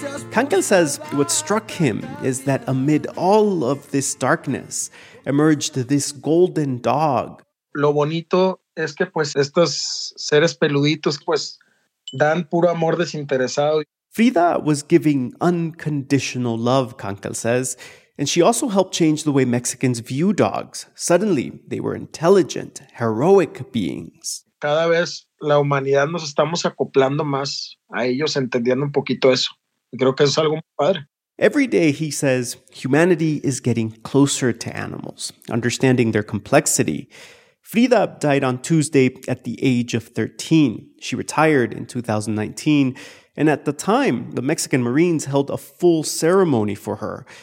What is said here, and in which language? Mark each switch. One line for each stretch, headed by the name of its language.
English: Cancel says what struck him is that amid all of this darkness emerged this golden dog.
Spanish: Lo bonito es que pues estos seres peluditos pues dan puro amor desinteresado.
English: Frida was giving unconditional love, Cancel says, and she also helped change the way Mexicans view dogs. Suddenly, they were intelligent, heroic beings.
Spanish: Cada vez la humanidad nos estamos acoplando más a ellos, entendiendo un poquito eso. Creo que eso es algo muy padre.
English: Every day, he says, humanity is getting closer to animals, understanding their complexity. Frida died on Tuesday at the age of 13. She retired in 2019. And at the time, the Mexican Marines held a full ceremony for her.